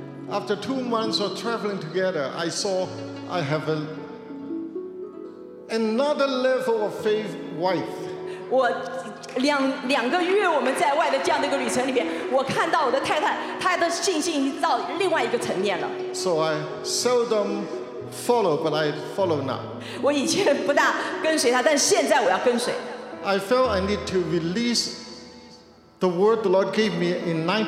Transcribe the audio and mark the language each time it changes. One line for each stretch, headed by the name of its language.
English: After 2 months of traveling together, I saw I have another level of faith wife.
Chinese: 我两个月我们在外的这样的一个旅程里面，我看到我的太太，她的信心到另外一个层面了。
English: So I seldom follow, but I follow now.
Chinese: 我以前不大跟随她，但现在我要跟随。
English: I felt I need to release the word the Lord gave me in